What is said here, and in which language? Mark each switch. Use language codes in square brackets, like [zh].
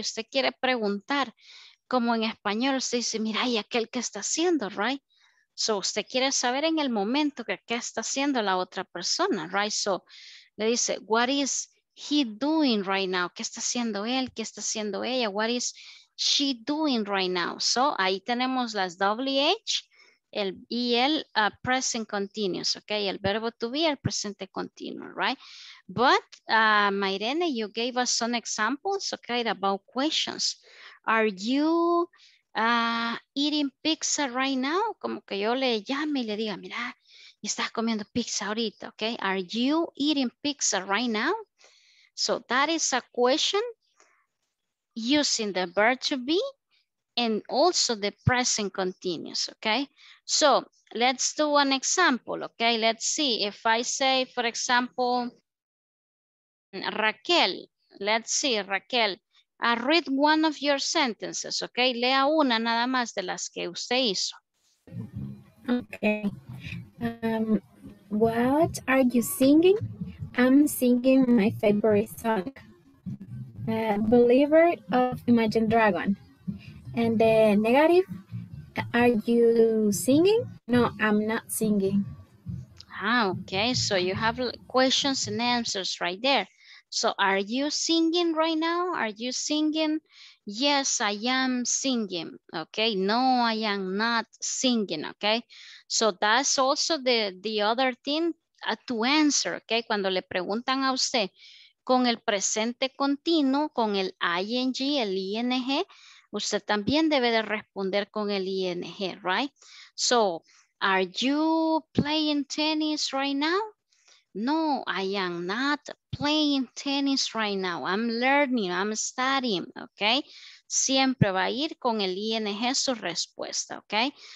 [es] Usted quiere preguntar, como en español usted dice, mira, ¿y aquel qué está haciendo, right? So usted quiere saber en el momento que qué está haciendo la otra persona, right? So le dice, [en] what is he doing right now? [es] ¿Qué está haciendo él? ¿Qué está haciendo ella? [en] What is she doing right now? [es] So ahí tenemos las WH y el present continuous, okay? El verbo to be, el presente continuo, right? [en] But Mairene, you gave us some examples, okay, about questions. Are you eating pizza right now? [es] Como que yo le llame y le diga, mira, estás comiendo pizza ahorita, okay? [en] Are you eating pizza right now? So that is a question using the verb to be and also the present continuous, okay? So let's do an example, okay? Let's see if I say, for example, Raquel. Let's see, Raquel. I read one of your sentences, okay? [es] Lea una nada más de las que usted hizo. [en] Okay. What are you singing? I'm singing my favorite song, Believer of Imagine Dragon. And the negative, are you singing? No, I'm not singing. Ah, okay. So you have questions and answers right there. So are you singing right now? Are you singing? Yes, I am singing, okay? No, I am not singing, okay? So that's also the other thing to answer, okay? [es] Cuando le preguntan a usted con el presente continuo, con el ing, el ing, usted también debe de responder con el ing, right? So [en] Are you playing tennis right now? No, I am not playing tennis right now. I'm learning, I'm studying, okay? [es] Siempre va a ir con el ING su respuesta, okay?